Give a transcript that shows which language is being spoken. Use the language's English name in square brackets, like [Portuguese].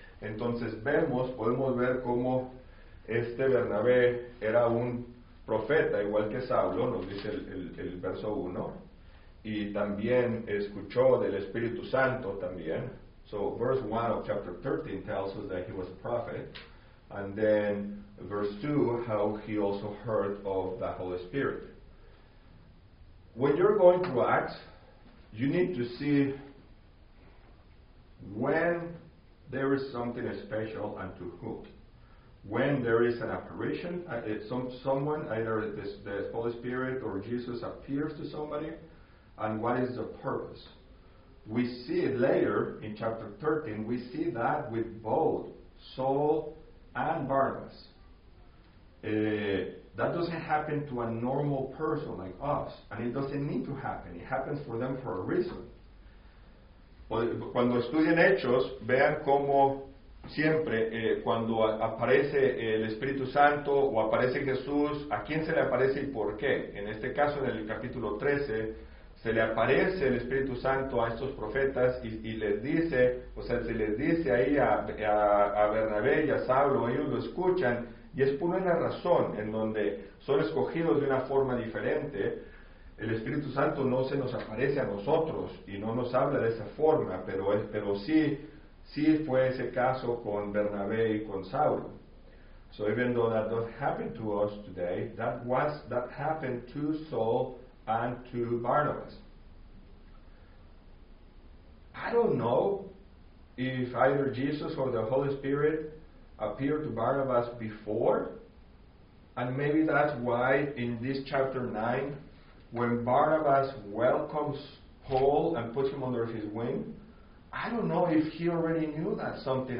[Spanish] Entonces podemos ver cómo este Bernabé era un profeta, igual que Saulo, nos dice el verso 1, y también escuchó del Espíritu Santo también. [English] So verse 1 of chapter 13 tells us that he was a prophet, and then verse 2, how he also heard of the Holy Spirit. When you're going to Acts, you need to see when there is something special and to whom. When there is an apparition, someone, either the Holy Spirit or Jesus appears to somebody, and what is the purpose. We see it later in chapter 13, we see that with both Saul and Barnabas. That doesn't happen to a normal person like us, and it doesn't need to happen. It happens for them for a reason. [Spanish] Cuando estudien Hechos, vean cómo siempre cuando aparece el Espíritu Santo o aparece Jesús, ¿a quién se le aparece y por qué? En este caso, en el capítulo 13, se le aparece el Espíritu Santo a estos profetas y les dice, o sea, se les dice ahí a Bernabé y a Saulo, ellos lo escuchan, y es por una razón, en donde son escogidos de una forma diferente. El Espíritu Santo no se nos aparece a nosotros y no nos habla de esa forma, pero sí fue ese caso con Bernabé y con Saulo. [English] So even though that doesn't happen to us today, that happened to Saul and to Barnabas. I don't know if either Jesus or the Holy Spirit appeared to Barnabas before, and maybe that's why in this chapter 9, when Barnabas welcomes Paul and puts him under his wing, I don't know if he already knew that something.